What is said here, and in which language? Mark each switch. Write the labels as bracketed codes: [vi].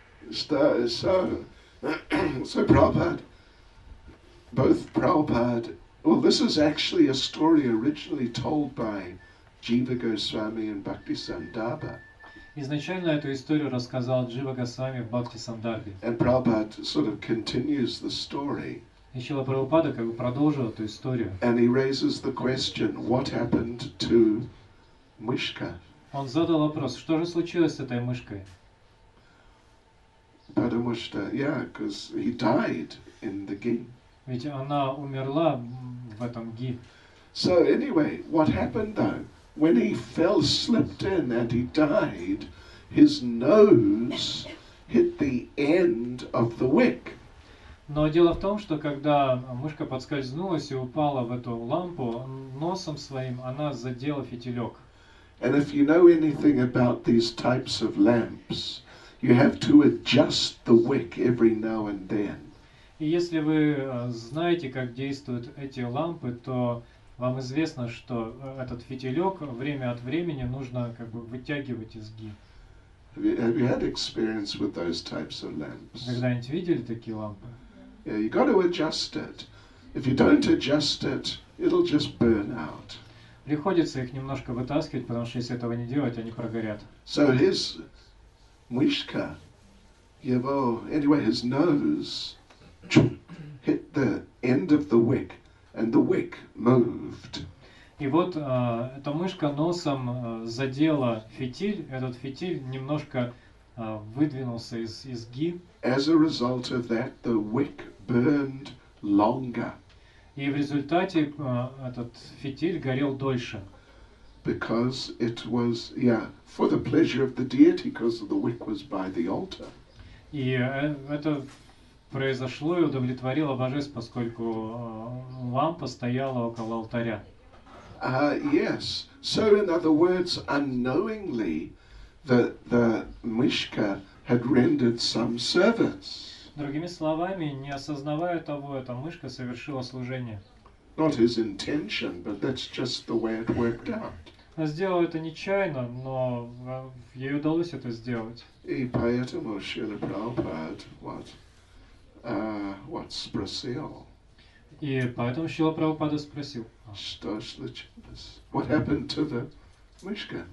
[en] So Prabhupada, both Prabhupada, well, this is actually a story originally told by Jiva Goswami and Bhakti Sandarbha. [ru] Изначально эту историю рассказал Джива Госвами в Бхакти Сандарбе. [en] And Prabhupada sort of continues the story. [ru] И Шрила Прабхупада как бы продолжил эту историю. [en] And he raises the question, what happened to Мышка? [ru] Он задал вопрос, что же случилось с этой мышкой? Потому что, [en] yeah, because he died in the ghee. [ru] Ведь она умерла в этом ги. [en] So anyway, what happened though? When he fell, slipped in, and he died, his nose hit the end of the wick. [ru] Но дело в том, что когда мышка подскользнулась и упала в эту лампу, носом своим она задела фитилек. [en] And if you know anything about these types of lamps, you have to adjust the wick every now and then. [ru] И если вы знаете, как действуют эти лампы, то вам известно, что этот фитилек время от времени нужно как бы вытягивать из ги. [en] Have you had experience with those types of lamps? [ru] Когда-нибудь видели такие лампы? [en] Yeah, you got to adjust it. If you don't adjust it, it'll just burn out. [ru] Приходится их немножко вытаскивать, потому что если этого не делать, они прогорят. [en] So his [ru] мышка, его, [en] anyway, his nose hit the end of the wick. And the wick moved. [ru] И вот эта мышка носом задела фитиль. Этот фитиль немножко выдвинулся из ги. [en] As a result of that, the wick burned longer. [ru] И в результате этот фитиль горел дольше. [en] Because it was, yeah, for the pleasure of the deity, because the wick was by the altar. [ru] И это произошло и удовлетворило божеств, поскольку лампа стояла около алтаря. [en] Yes. So in other words, unknowingly, the мышка had rendered some service. [ru] Другими словами, не осознавая того, эта мышка совершила служение. [en] Not his intention, but that's just the way it worked out. [ru] Она сделала это нечаянно, но ей удалось это сделать. И поэтому Шрила Прабхупада, вот. [en] What спросил? [ru] И поэтому Шрила Прабхупада спросил. Что случилось? [en] What happened to the мышка?